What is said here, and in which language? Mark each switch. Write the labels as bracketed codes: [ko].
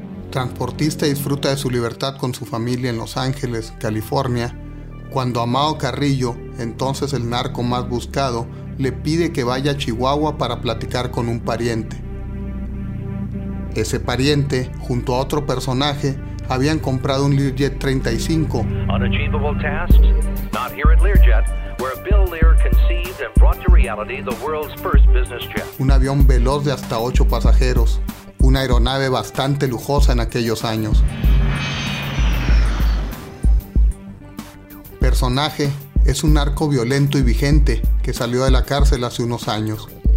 [es] Transportista disfruta de su libertad con su familia en Los Ángeles, California, cuando Amado Carrillo, entonces el narco más buscado, le pide que vaya a Chihuahua para platicar con un pariente. Ese pariente, junto a otro personaje, habían comprado un Learjet 35. [en] Unachievable tasks, not here at Learjet, where Bill Lear conceived and brought to reality the world's first business jet. [es] Un avión veloz de hasta 8 pasajeros, una aeronave bastante lujosa en aquellos años. Personaje es un narco violento y vigente que salió de la cárcel hace unos años.